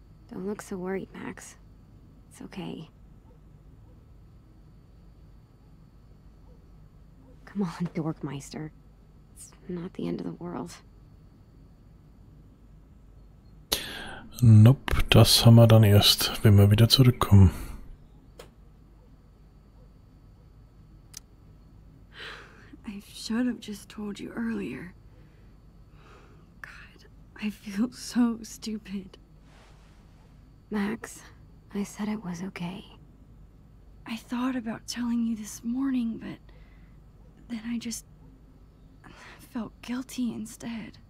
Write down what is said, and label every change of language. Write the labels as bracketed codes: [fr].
[en] Don't look so worried, Max. It's okay. Come on, Dorkmeister. It's not the end of the world. [de] Nope, das haben wir dann erst, wenn wir wieder zurückkommen. [en] I should have just told you earlier. God, I feel so stupid. Max, I said it was okay. I thought about telling you this morning, but then I just felt guilty instead.